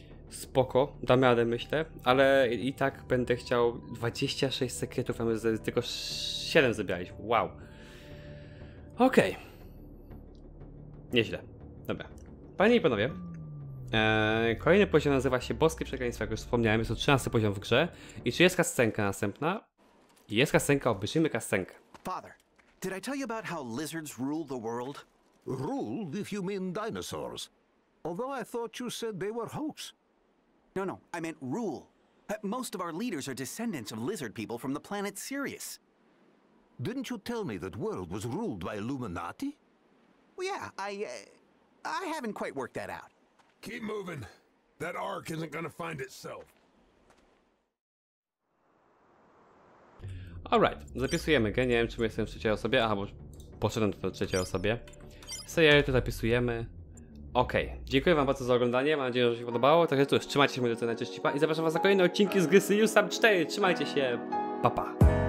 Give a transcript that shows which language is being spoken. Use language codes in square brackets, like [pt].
[pl] Spoko, damy radę, myślę, ale i tak będę chciał 26 sekretów, a my tylko 7 zebraliśmy. Wow. Okej. Okay. Nieźle. Dobra. Panie i panowie, kolejny poziom nazywa się Boskie Przekleństwa, jak już wspomniałem, jest to 13 poziom w grze. I czy jest kascenka następna? Jest kascenka, obejrzyjmy kascenkę. [en] Father, did I tell you about how lizards rule the world? Rule, if you mean dinosaurs. Although I thought you said they were hoax. No, no, I meant rule. Most of our leaders are descendants of lizard people from the planet Sirius. Didn't you tell me that world was ruled by Illuminati? Well, yeah, I haven't quite worked that out. Keep moving. That Ark isn't gonna find itself. [pl] Alright, zapisujemy gę. Nie wiem, czy jestem w trzeciej osobie. Aha, bo poszedłem do trzeciej osobie. Serię to zapisujemy. Okej, okay. Dziękuję wam bardzo za oglądanie, mam nadzieję, że się podobało. Także cóż, trzymajcie się, moi drodzy, najczęściej pa i zapraszam was na kolejne odcinki z gry Sirius Sam 4. Trzymajcie się, pa pa.